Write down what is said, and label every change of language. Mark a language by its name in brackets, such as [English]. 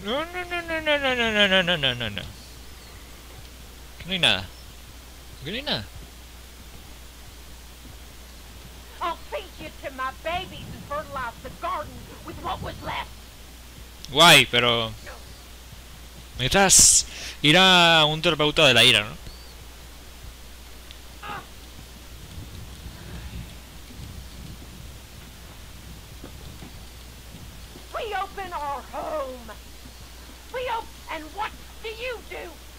[Spanish] No, no, no, no, no, no, no, no, no, no, no. Aquí no hay nada. Grina. [English] I'll feed you to my babies and fertilize the garden with what was left. [Spanish] Guay, pero necesitas ir a un terapeuta de la ira, ¿no? [English] We open our home. We open, and what do you do?